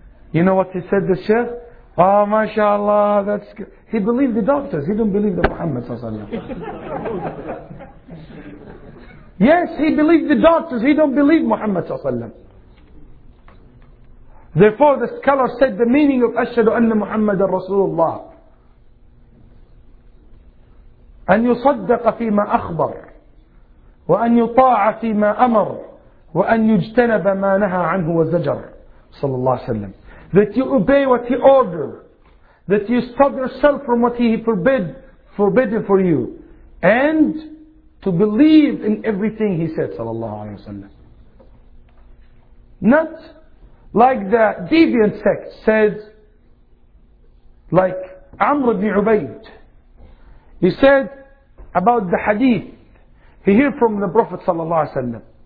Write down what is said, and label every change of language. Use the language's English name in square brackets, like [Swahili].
[English] You know what he said, the Sheikh? Oh, mashallah, that's good. He believed the doctors. He didn't believe the Muhammad sallallahu alaihi wasallam. Yes, he believed the doctors. He don't believe Muhammad sallallahu alaihi wasallam. Therefore, the scholar said the meaning of Ashhadu anna Muhammad Rasulullah. [Arabic] أن يصدق فيما أخبر وأن يطاع فيما أمر وأن يجتنب ما نهى عنه وزجر صلى الله عليه وسلم. [English] That you obey what he ordered, that you stop yourself from what he forbidden for you, and to believe in everything he said صلى الله عليه وسلم. Not like the deviant sect said, like Amr ibn Ubayd, he said about the hadith he hear from the Prophet sallallahu alaihi wasallam.